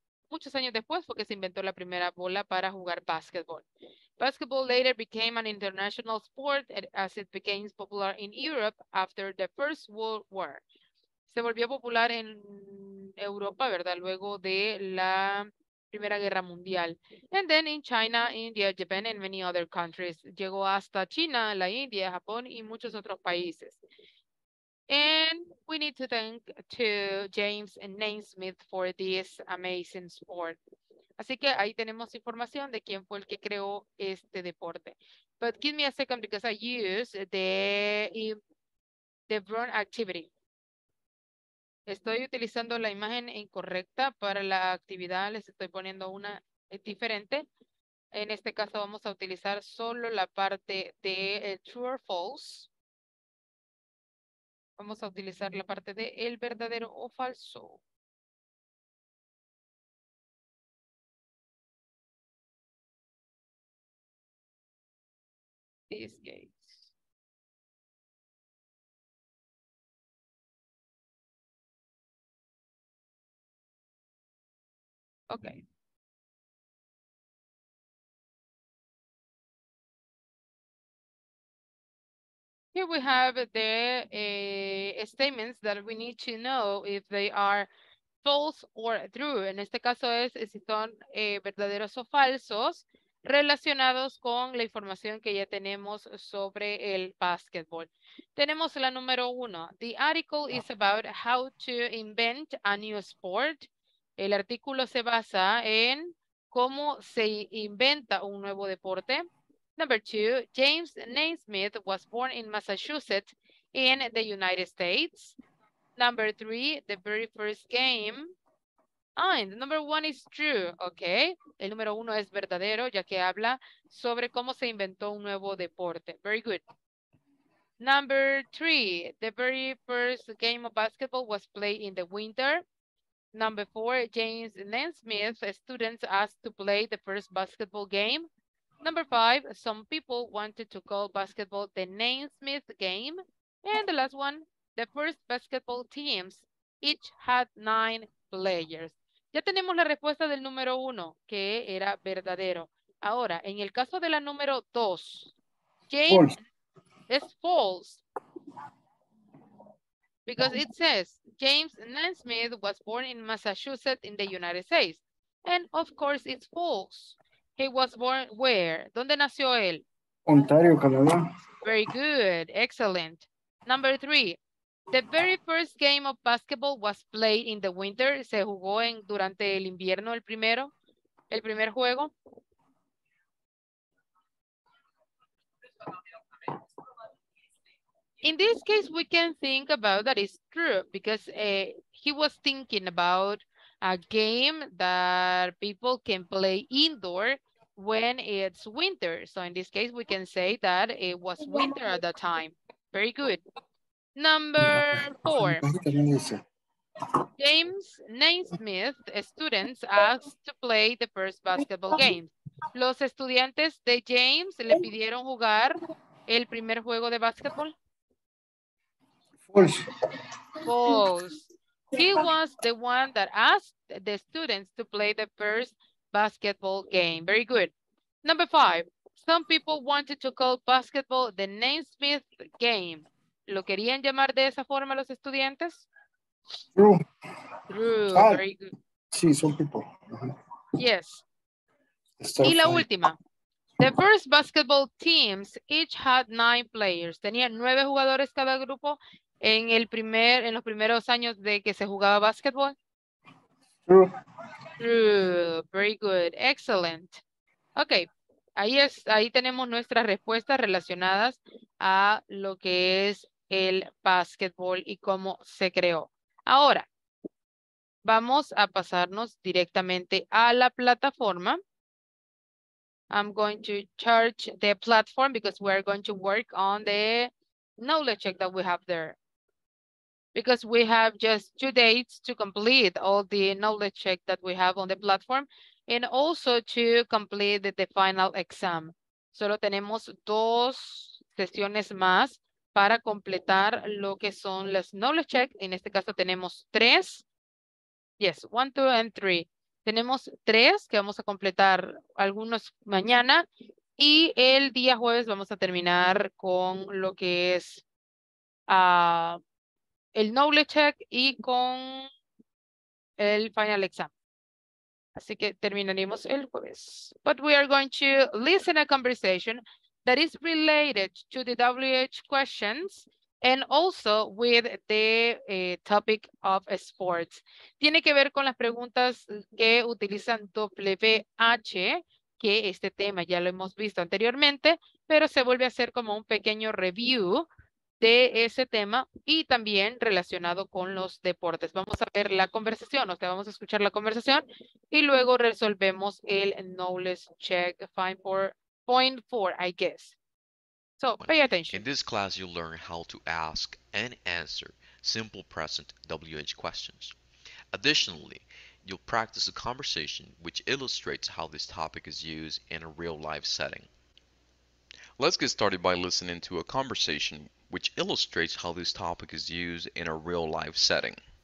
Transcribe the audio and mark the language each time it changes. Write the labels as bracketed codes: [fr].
[es] Muchos años después fue que se inventó la primera bola para jugar básquetbol. [en] Basketball later became an international sport as it became popular in Europe after the First World War. [es] Se volvió popular en Europa, ¿verdad?, luego de la Primera Guerra Mundial. [en] And then in China, India, Japan, and many other countries. [es] Llegó hasta China, la India, Japón, y muchos otros países. [en] And we need to thank to James and Naismith for this amazing sport. [es] Así que ahí tenemos información de quién fue el que creó este deporte. [en] But give me a second because I use the wrong activity. [es] Estoy utilizando la imagen incorrecta para la actividad, les estoy poniendo una diferente. En este caso vamos a utilizar solo la parte de [en] true or false. [es] Vamos a utilizar la parte de el verdadero o falso. [en] This game. Okay. Here we have the statements that we need to know if they are false or true. [es] En este caso es si son verdaderos o falsos relacionados con la información que ya tenemos sobre el basketball. Tenemos la número uno. [en] The article is about how to invent a new sport. [es] El artículo se basa en cómo se inventa un nuevo deporte. [en] Number two, James Naismith was born in Massachusetts in the United States. number three, the very first game. And number one is true, okay? [es] El número uno es verdadero, ya que habla sobre cómo se inventó un nuevo deporte. [en] Very good. Number three, the very first game of basketball was played in the winter. Number four, James Nesmith students asked to play the first basketball game. Number five, some people wanted to call basketball the Nesmith game. And the last one, the first basketball teams each had nine players. [es] Ya tenemos la respuesta del número uno, que era verdadero. Ahora, en el caso de la número dos, [en] James is false. Because it says James Nesmith was born in Massachusetts in the United States. And of course, it's false. He was born where? [es] ¿Dónde nació él? Ontario, Canadá. [en] Very good. Excellent. Number three. The very first game of basketball was played in the winter. [es] ¿Se jugó en durante el invierno el primero? ¿El primer juego? [en] In this case, we can think about that it's true because he was thinking about a game that people can play indoor when it's winter. So in this case, we can say that it was winter at that time. Very good. Number four. James Nesmith students asked to play the first basketball game. [es] ¿Los estudiantes de James le pidieron jugar el primer juego de basketball? [en] False. He was the one that asked the students to play the first basketball game. Very good. Number five. Some people wanted to call basketball the Nesmith game. [es] ¿Lo querían llamar de esa forma los estudiantes? [en] True. True. Very good. Sí, some people. Uh-huh. [es] Yes. Y la última. [en] The first basketball teams each had nine players. [es] ¿Tenían nueve jugadores cada grupo? En el primer, en los primeros años de que se jugaba basketball? [en] True. True. Very good. Excellent. Okay. [es] Ahí es, ahí tenemos nuestras respuestas relacionadas a lo que es el basketball y cómo se creó. Ahora, vamos a pasarnos directamente a la plataforma. [en] I'm going to charge the platform because we're going to work on the knowledge check that we have there. Because we have just 2 days to complete all the knowledge check that we have on the platform and also to complete the final exam. [es] Solo tenemos dos sesiones más para completar lo que son las knowledge check. En este caso tenemos tres. [en] Yes, one, two, and three. [es] Tenemos tres que vamos a completar algunos mañana y el día jueves vamos a terminar con lo que es el knowledge check y con el final exam. Así que terminaremos el jueves. [en] But we are going to listen a conversation that is related to the WH questions and also with the topic of sports. [es] Tiene que ver con las preguntas que utilizan WH, que este tema ya lo hemos visto anteriormente, pero se vuelve a hacer como un pequeño review de ese tema y también relacionado con los deportes. Vamos a ver la conversación, o sea, vamos a escuchar la conversación y luego resolvemos el knowledge check 5.4, [en] I guess. So, pay attention. In this class, you'll learn how to ask and answer simple present WH questions. Additionally, you'll practice a conversation which illustrates how this topic is used in a real-life setting. Let's get started by listening to a conversation which illustrates how this topic is used in a real-life setting.